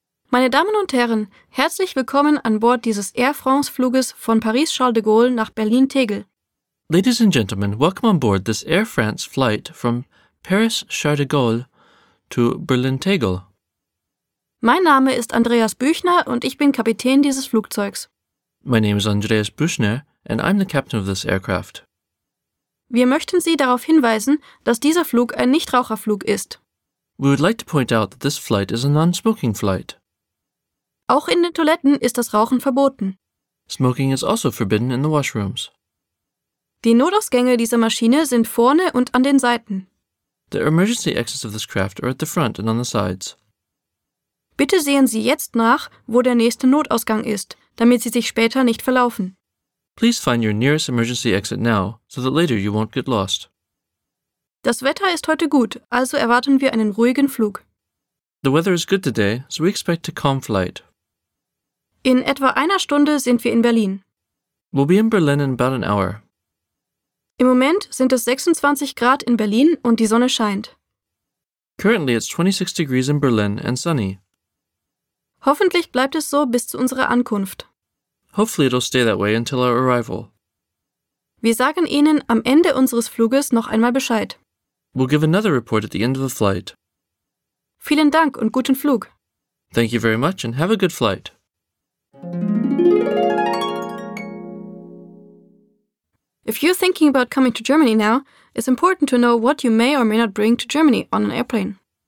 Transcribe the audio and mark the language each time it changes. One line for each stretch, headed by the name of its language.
German: Meine Damen und Herren, herzlich willkommen an Bord dieses Air France Fluges von Paris Charles de Gaulle nach Berlin Tegel.
English: Ladies and gentlemen, welcome on board this Air France flight from Paris Charles de Gaulle to Berlin Tegel.
German: Mein Name ist Andreas Büchner und ich bin Kapitän dieses Flugzeugs.
English: My name is Andreas Büchner and I'm the captain of this aircraft.
German: Wir möchten Sie darauf hinweisen, dass dieser Flug ein Nichtraucherflug ist.
English: We would like to point out that this flight is a non-smoking flight.
German: Auch in den Toiletten ist das Rauchen verboten.
English: Smoking is also forbidden in the washrooms.
German: Die Notausgänge dieser Maschine sind vorne und an den Seiten.
English: The emergency exits of this craft are at the front and on the sides.
German: Bitte sehen Sie jetzt nach, wo der nächste Notausgang ist, damit Sie sich später nicht verlaufen.
English: Please find your nearest emergency exit now, so that later you won't get lost.
German: Das Wetter ist heute gut, also erwarten wir einen ruhigen Flug.
English: The weather is good today, so we expect a calm flight.
German: In etwa einer Stunde sind wir in Berlin.
English: We'll be in Berlin in about an hour.
German: Im Moment sind es 26 Grad in Berlin und die Sonne scheint.
English: Currently it's 26 degrees in Berlin and sunny.
German: Hoffentlich bleibt es so bis zu unserer Ankunft.
English: Hopefully it'll stay that way until our arrival.
German: Wir sagen Ihnen am Ende unseres Fluges noch einmal Bescheid.
English: We'll give another report at the end of the flight.
German: Vielen Dank und guten Flug.
English: Thank you very much and have a good flight. If you're thinking about coming to Germany now, it's important to know what you may or may not bring to Germany on an airplane.